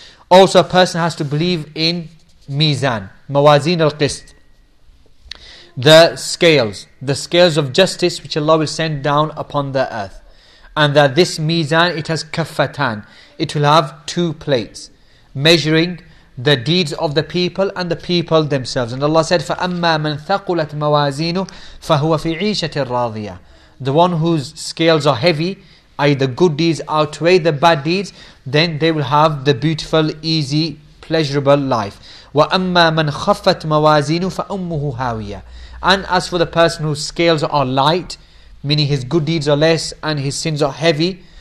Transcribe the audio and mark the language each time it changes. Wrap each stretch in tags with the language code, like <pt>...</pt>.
<en>Also, a person has to believe in Mizan, Mawazin al-Qist, the scales of justice which Allah will send down upon the earth. And that this Mizan, it has kaffatan, it will have two plates measuring the deeds of the people and the people themselves.</en> <ar>And Allah said, فَأَمَّا مَنْ ثَقُلَتْ مَوَازِينُ فَهُوَ فِي عِيشَةٍ رَاضِيَةٍ.</ar> <en>The one whose scales are heavy, i.e. the good deeds outweigh the bad deeds, then they will have the beautiful, easy, pleasurable life.</en> <ar>وَأَمَّا مَنْ خَفَّتْ مَوَازِينُ فَأُمُّهُ هَاوِيَةٍ.</ar> <en>And as for the person whose scales are light, meaning his good deeds are less and his sins are heavy,</en>